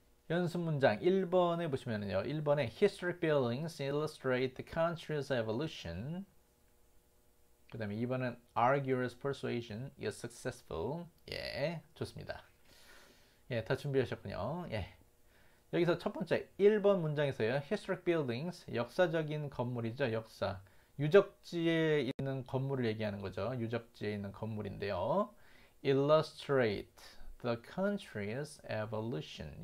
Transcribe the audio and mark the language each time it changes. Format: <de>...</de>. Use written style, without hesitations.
<ko>연습 문장 1번에 보시면은요. 1번에</ko> <en>historic buildings illustrate the country's evolution. 그다음에 2번은 arguer's persuasion is successful.</en> <ko>예. 좋습니다. 예, 다 준비하셨군요. 예. 여기서 첫 번째 1번 문장에서요.</ko> <en>historic buildings</en> <ko>역사적인 건물이죠. 역사. 유적지에 있는 건물을 얘기하는 거죠. 유적지에 있는 건물인데요.</ko> <en>illustrate the country's evolution.</en>